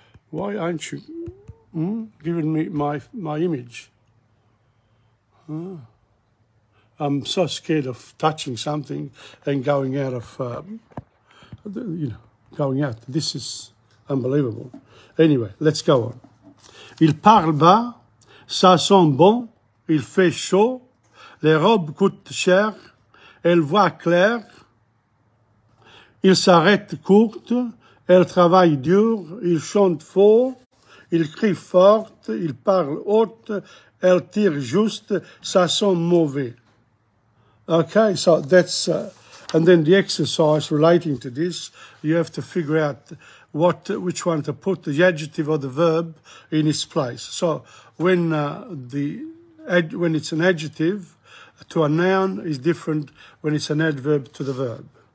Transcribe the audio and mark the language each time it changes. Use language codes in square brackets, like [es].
[en] Why aren't you giving me my image? I'm so scared of touching something and going out of, you know, going out. This is unbelievable. Anyway, let's go on. [fr] Il parle bas, ça sent bon, il fait chaud, les robes coûtent cher, elle voit clair, il s'arrête courte, elle travaille dur, il chante faux, il crie fort, il parle haute, elle tire juste, ça sent mauvais. [en] Okay, so that's, and then the exercise relating to this, you have to figure out which one to put the adjective or the verb in its place. So when it's an adjective to a noun is different when it's an adverb to the verb.